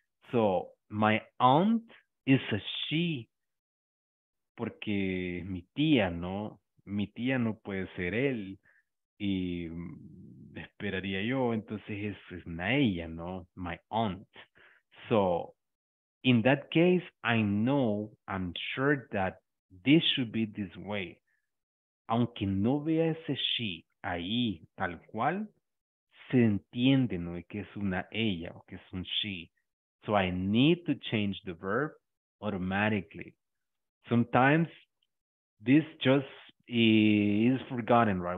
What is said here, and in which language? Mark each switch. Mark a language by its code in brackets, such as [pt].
[en] So, my aunt is a she. [es] Porque mi tía, ¿no? Mi tía no puede ser él. Y esperaría yo. Entonces, es una ella, ¿no? [en] My aunt. So, in that case, I know, I'm sure that this should be this way. [es] Aunque no vea ese she ahí, tal cual, se entiende, ¿no? Que es una ella o que es un she. [en] So I need to change the verb automatically. Sometimes this just is forgotten, right?